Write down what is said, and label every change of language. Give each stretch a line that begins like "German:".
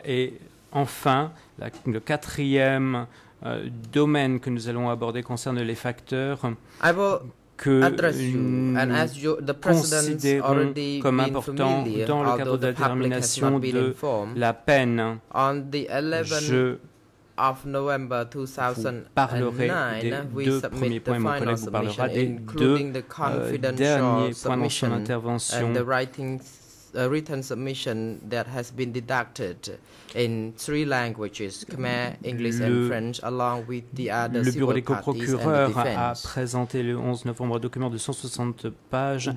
French: Et enfin, le quatrième domaine que nous allons aborder concerne les facteurs que nous considérons comme importants dans le cadre de la détermination de la peine. Je vous parlerai des deux premiers points, mon collègue vous parlera des deux derniers points dans son intervention.
English: a written submission that has been deducted in three languages, Khmer, English and French, along with the other civil parties.
French: Le bureau des coprocureurs a présenté le 11 novembre un document de 160 pages.